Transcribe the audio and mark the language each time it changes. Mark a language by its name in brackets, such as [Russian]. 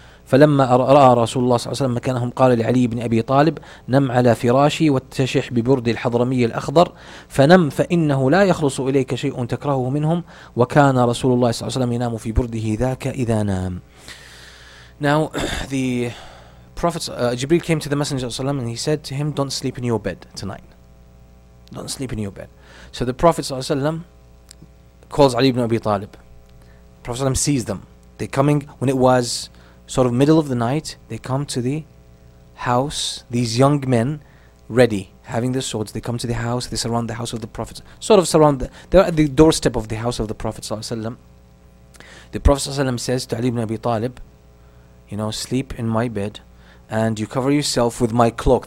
[Arabic] فَلَمَّا رأى رسول الله صلى الله عليه وسلم مكانهم قال لعلي بن أبي طالب نم على فراشي واتشح ببرد الحضرمي الأخضر فنم فإنه لا يخلص إليك شيء تكرهه منهم وكان رسول الله صلى الله عليه وسلم ينام في برده ذاك إذا نام. [English] Now the Prophet Jibreel came to the Messenger صلى الله عليه وسلم and he said to him, don't sleep in your bed tonight. Don't sleep in your bed. So the Prophet صلى الله عليه وسلم calls علي بن أبي طالب. Prophet صلى الله عليه وسلم sees them. They're coming when it was sort of middle of the night. They come to the house, these young men, ready, having their swords. They come to the house, they surround the house of the Prophet. Sort of surround, they're at the doorstep of the house of the Prophet ﷺ. The Prophet ﷺ says to Ali ibn Abi Talib, you know, sleep in my bed, and you cover yourself with my cloak.